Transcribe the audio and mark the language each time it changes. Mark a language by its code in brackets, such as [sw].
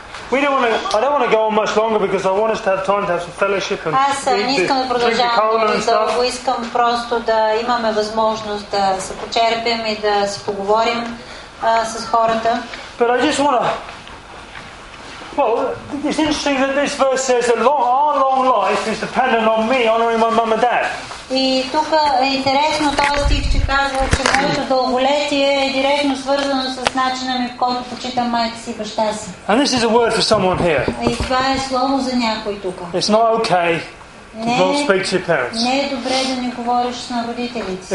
[en] We don't want to. I don't want to go on much longer because I want us to have time to have some fellowship and drink the cola and stuff. But I just want to. Well, it's interesting that this verse says that our long life is dependent on me honoring my mum and dad. [bg] И тук е интересно този стих, че казва, че моето дълголетие е директно свързано с начина ми, в който почитам майка си и баща си. [en] And this is a word for someone here. [bg] И това е слово за някой тук. [en] It's not okay to not speak to your parents. [bg] Не е добре да не говориш на родителите си.